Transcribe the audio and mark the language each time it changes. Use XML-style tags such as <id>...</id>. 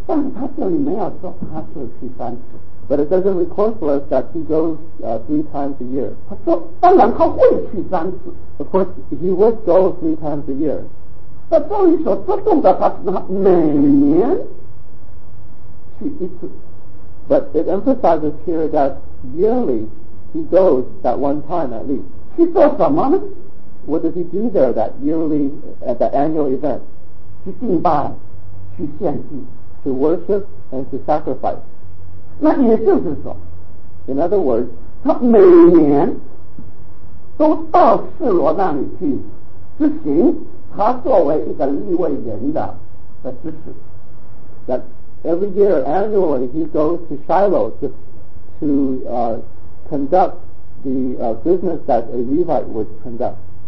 <en>But it doesn't record for us that he goes three times a year. Of course, he would go three times a year.</en> <zh>那这里所注重的，他每年去一次。</zh> <en>But it emphasizes here that yearly he goes that one time at least.</en> <zh>去做什么呢？</zh> <en>What does he do there that yearly, at that annual event?</en> <zh>去敬拜，去献祭。</zh> <en>To worship and to sacrifice.</en> <zh>那也就是说，</zh> <en>In other words,</en> <zh>他每年都到示罗那里去执行。他作为一个立位人的支持，</zh> <en>that every year annually he goes to Shiloh to conduct the business that a Levite would conduct.</en>